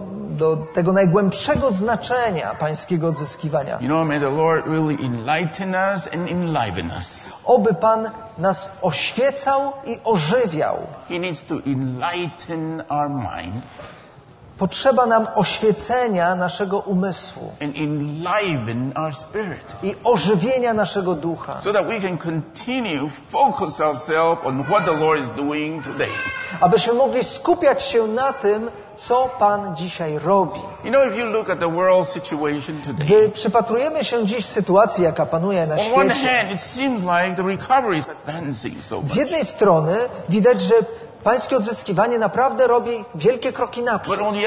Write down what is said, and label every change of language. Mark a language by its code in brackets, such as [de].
[pl] Do tego najgłębszego znaczenia pańskiego odzyskiwania. [en] You know, may the Lord really enlighten us and enliven us. [pl] Oby Pan nas oświecał i ożywiał. [en] He needs to enlighten our mind. [pl] Potrzeba nam oświecenia naszego umysłu [en] and enliven our spirit. [pl] I ożywienia naszego ducha. [en] So that we can continue focus ourselves on what the Lord is doing today. [pl] Abyśmy mogli skupiać się na tym, co Pan dzisiaj robi. [en] You know, if you look at the world situation today, [pl] gdy przypatrujemy się dziś sytuacji, jaka panuje na świecie, [en] on one hand, it seems like the recovery is advancing so much. [pl] Z jednej strony widać, że pańskie odzyskiwanie naprawdę robi wielkie kroki naprzód.